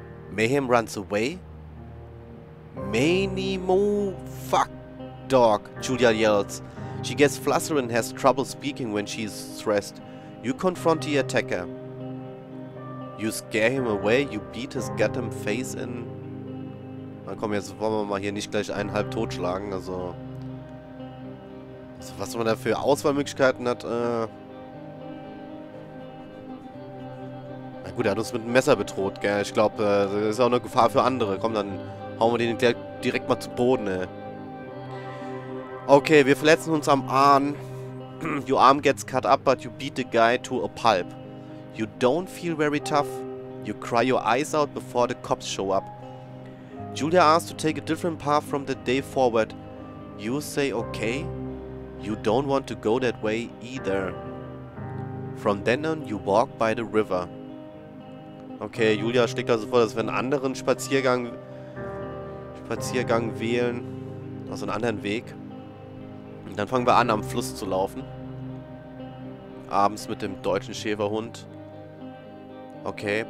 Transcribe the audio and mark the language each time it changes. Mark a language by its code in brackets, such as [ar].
[en] Mayhem runs away. Many more fuck dog, Julia yells. She gets flustered and has trouble speaking when she's stressed. You confront the attacker. You scare him away, you beat his goddamn face in. [de] Na komm, jetzt wollen wir mal hier nicht gleich einen halb totschlagen, also. Also was man da für Auswahlmöglichkeiten hat, Na gut, er hat uns mit einem Messer bedroht, gell? Ich glaube, das ist auch eine Gefahr für andere. Komm, dann hauen wir den direkt mal zu Boden, ey. Okay, wir verletzen uns am Arm. [en] Your arm gets cut up, but you beat the guy to a pulp. You don't feel very tough. You cry your eyes out before the cops show up. Julia asks to take a different path from the day forward. You say okay. You don't want to go that way either. From then on, you walk by the river. [de] Okay, Julia schlägt also vor, dass wir einen anderen Spaziergang wählen. Also einen anderen Weg. Dann fangen wir an, am Fluss zu laufen. Abends mit dem deutschen Schäferhund. Okay.